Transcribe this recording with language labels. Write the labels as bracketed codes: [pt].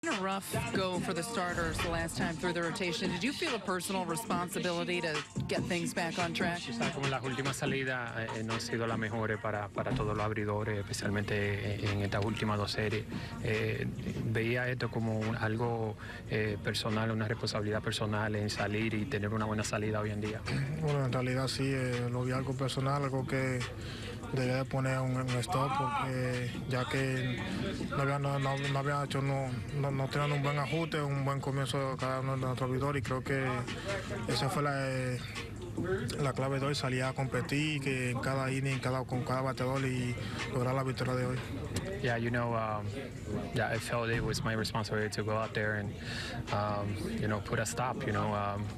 [en] A rough go for the starters the last time through the rotation. Did you feel a personal responsibility to get things back on track? [es] Como las últimas salidas no han sido las mejores para todos los abridores, especialmente en estas últimas dos series. Veía esto como algo personal, una responsabilidad personal en salir y tener una buena salida hoy en día. Bueno, en realidad sí, lo vi algo personal, algo que debía de poner un stop, porque ya que no tenían un buen ajuste, un buen comienzo cada uno de nuestros abridores, y creo que esa fue la clave de hoy, salir a competir, que en cada inning, con cada bateador, y lograr la victoria de hoy. [en] Yeah, you know, I felt it was my responsibility to go out there and, you know, put a stop, you know.